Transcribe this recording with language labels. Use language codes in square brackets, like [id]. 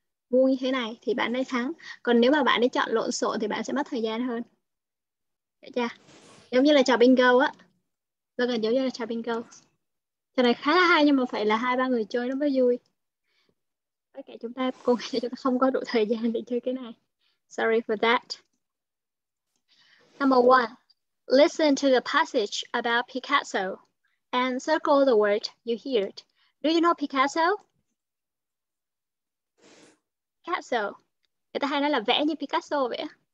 [vi] vui như thế này thì bạn ấy thắng. Còn nếu mà bạn ấy chọn lộn xộn thì bạn sẽ mất thời gian hơn. Được chưa? Giống như là trò bingo á. Rất là giống như là trò bingo. Trò này khá là hay nhưng mà phải là hai ba người chơi nó mới vui. Tất cả chúng ta cùng chúng ta không có đủ thời gian để chơi cái này. [en] Sorry for that. Number one, listen to the passage about Picasso and circle the word you hear. Do you know Picasso? Picasso. [vi] Người ta hay nói là vẽ như Picasso vậy.